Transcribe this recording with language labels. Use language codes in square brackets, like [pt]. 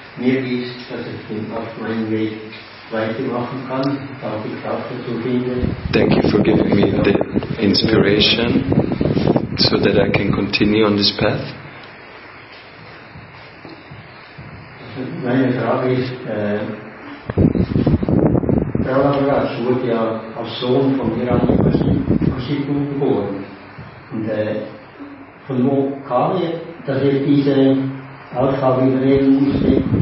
[de] Mir ist, dass ich den auf meinem Weg weitermachen kann, darf ich auch dazu finden. [en] Thank you for giving me the inspiration so that I can continue on this path. [de] Meine Frage ist, Prahlad wurde ja als Sohn von Hiranyakashipu geboren. Und von wo kam er, dass er diese Aufgabe übernehmen musste?